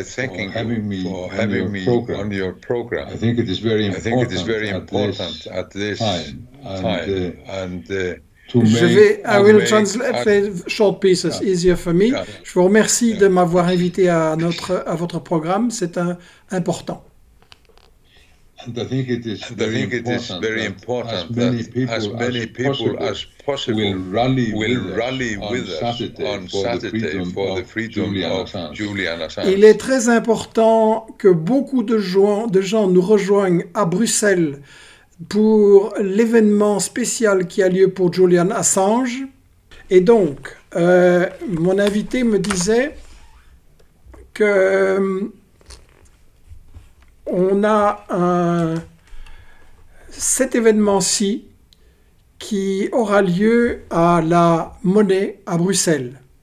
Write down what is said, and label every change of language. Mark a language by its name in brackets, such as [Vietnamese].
[English] I would like to start by thanking you for having me on your program. I think it is very important at this time. I will translate the short pieces easier for me. Yeah. [French] Je vous remercie de m'avoir invité à votre programme. C'est important. [English] And I think it is very important that as many people as possible will rally with us on Saturday for the freedom of Julian Assange. [French] Il est très important que beaucoup de gens nous rejoignent à Bruxelles pour l'événement spécial qui a lieu pour Julian Assange. Et donc, mon invité me disait que on a cet événement-ci qui aura lieu à la Monnaie à Bruxelles.